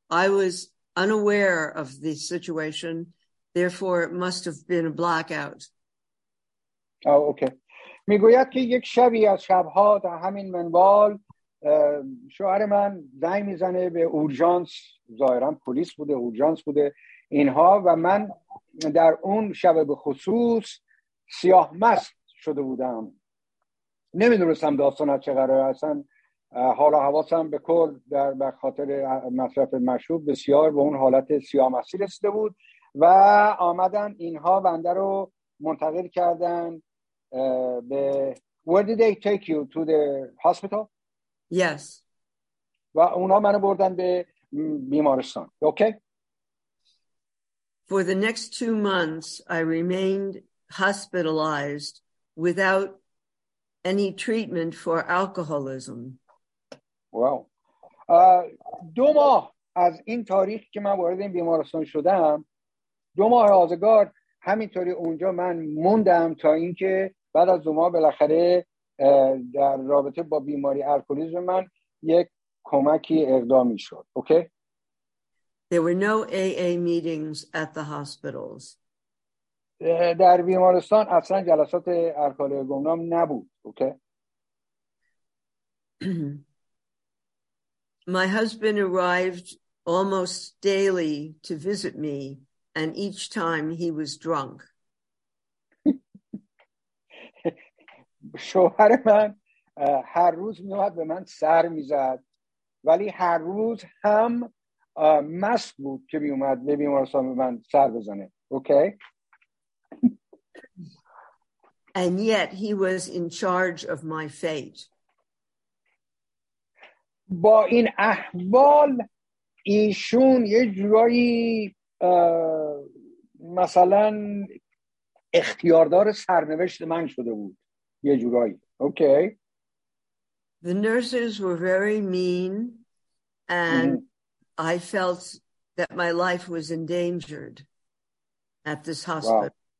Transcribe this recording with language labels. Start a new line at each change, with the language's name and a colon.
English: I was unaware of the situation, therefore it must have been a blackout. Oh, okay.
Persian: میگوید که یک شبی از شبها در همین منوال شوهر من زنگ میزنه به اورژانس، ظاهرا پلیس بوده، اورژانس بوده اینها، و من در اون شب به خصوص سیاه مست شده بودم، نمیدونستم داستان از چه قراره. اصلا حالا حواسم به کل در خاطر مصرف مشروب بسیار به اون حالت سیاه‌مسیر رسیده بود و آمدن اینها بنده رو منتقل کردن به
English: Where did they take you? To the hospital? Yes.
Persian: و اونا منو بردن به بیمارستان.
English: Okay? For the next 2 months I remained hospitalized without any treatment for alcoholism. Wow.
Persian: دو ماه از این تاریخ که من وارد این بیمارستان شدم، دو ماه آزگار همینطوری اونجا من موندم تا اینکه بعد از دو ماه بالاخره در رابطه با بیماری الکلیسم من یک کمکی اقدامی شد.
English: Okay? There were no AA meetings at the hospitals.
Persian: در بیمارستان اصلا جلسات الکلی گمنام نبود.
English: Okay? My husband arrived almost daily to visit me. And each time he was drunk.
Persian: شوهر من هر روز میومد به من سر میزد، ولی هر روز هم مست بود که میومد به بیمارستان به من سر بزنه.
English: Okay. And yet he was in charge of my fate.
Persian: با این احوال ایشون یه جورایی مثلا اختیاردار سرنوشت من شده بود یه جورایی.
English: Okay. The nurses were very mean and I felt that my life was endangered at this hospital.